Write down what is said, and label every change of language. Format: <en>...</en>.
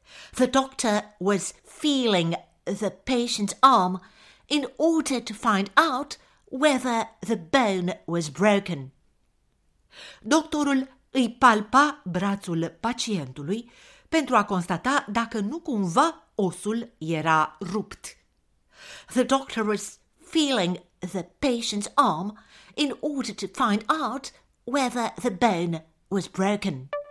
<en>The doctor was feeling the patient's arm in order to find out whether the bone was broken.</en> <ro>Doctorul îi palpa brațul pacientului pentru a constata dacă nu cumva osul era rupt.</ro> <en>The doctor was feeling the patient's arm in order to find out whether the bone was broken.</en>